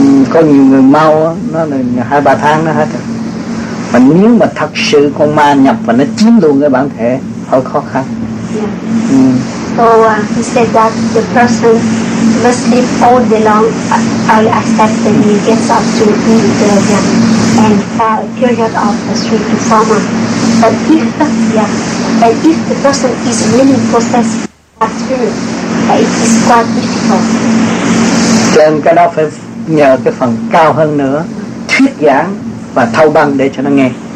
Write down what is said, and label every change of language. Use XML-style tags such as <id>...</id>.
<vi>Có nhiều người mau đó, nó là 2-3 tháng nó hết. Mà nếu mà thật sự con ma nhập và nó chiếm luôn cái bản thể, hơi khó khăn.</vi> <en>Yeah. So he said that the person must sleep all day long, I accept that he gets up to eat and have a period of 3 to 4 months. But if the person is really possessed by spirit, it is quite difficult.</en> <vi>Then cái đó phải nhờ cái phần cao hơn nữa, thuyết giảng và thâu băng để cho nó nghe.</vi>